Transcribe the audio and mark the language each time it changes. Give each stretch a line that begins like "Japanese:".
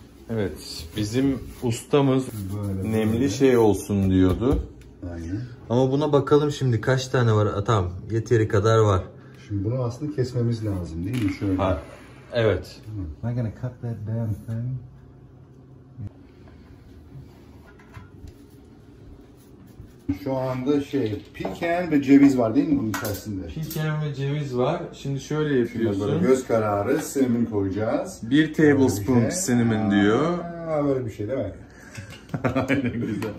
Turkish: Evet, bizim ustamız böyle nemli böyle şey olsun diyordu. Aynen. Ama buna bakalım şimdi kaç tane var? Tamam, yeteri kadar var. Şimdi bunu aslında kesmemiz lazım değil mi? Şöyle. Ha. Evet.
English: I'm gonna cut that damn thing.
Turkish: Şu anda şey, pecan ve ceviz var değil mi bunun içerisinde? Pecan ve ceviz var. Şimdi şöyle yapıyorsun. Göz kararı, cinnamon koyacağız. 1 tablespoon bir şey. Cinnamon diyor. Aa, böyle bir şey değil mi? Aynen güzel.